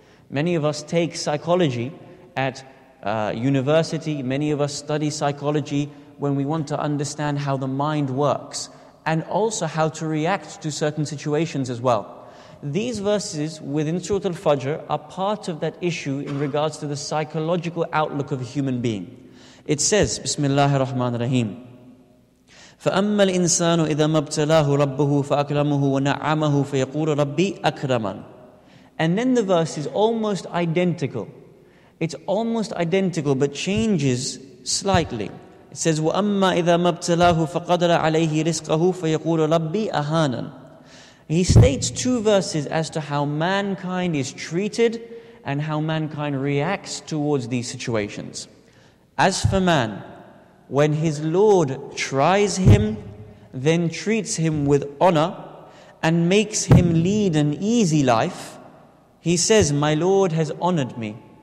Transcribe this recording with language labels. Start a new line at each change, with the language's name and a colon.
English: Many of us take psychology at university, many of us study psychology when we want to understand how the mind works, and also how to react to certain situations as well. These verses within Surah Al-Fajr are part of that issue in regards to the psychological outlook of a human being. It says, Bismillahir Rahmanir Rahim,
Arabic: فَأَمَّا الْإِنسَانُ إِذَا مَبْتَلَاهُ رَبُّهُ فَأَكْرَمُهُ وَنَعَّمَهُ فَيَقُولُ رَبِّي أَكْرَمًا.
English: And then the verse is almost identical. It's almost identical, but changes slightly. It says,
Arabic: وَأَمَّا إِذَا مَبْتَلَاهُ فَقَدَرَ عَلَيْهِ رِزْقَهُ فَيَقُولُ رَبِّي أَهَانًا.
English: He states two verses as to how mankind is treated and how mankind reacts towards these situations. As for man, when his Lord tries him, then treats him with honor and makes him lead an easy life, he says, my Lord has honored me.